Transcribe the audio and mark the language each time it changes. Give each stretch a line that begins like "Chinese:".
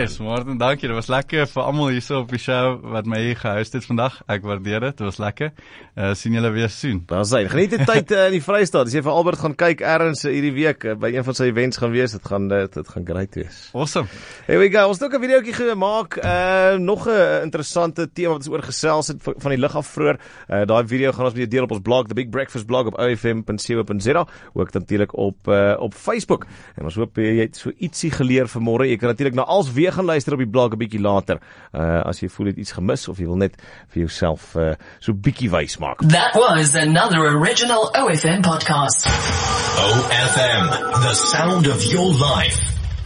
Afrikaans: Yes, Martin, dankie. Dit was lekker vir almal hierso op die show wat my hier gehuis het vandag. Ek waardeer dit. Dit was lekker. Sien julle weer soon. Daar sien. Geniet die tyd in die Vrystaat. As jy vir Albert gaan kyk ergens hierdie week by een van sy events gaan wees, dit gaan great wees. Awesome.
English: Here we go.
Afrikaans: Ons het ook 'n videoetjie gemaak. Nog 'n interessante tema wat ons oor gesels het van die lug af vroeër. Daai video gaan ons met julle deel op ons blog, The Big Breakfast blog op ofm.co.za, ook natuurlik op Facebook. En ons hoop jy het so ietsie geleer vanmôre. Jy kan natuurlik na als weer gaan luister op die blog 'n bietjie later. As jy voel jy het iets gemis of jy wil net vir jouself so bietjie wys maak.
English: That was another original OFM podcast. OFM, the sound of your life.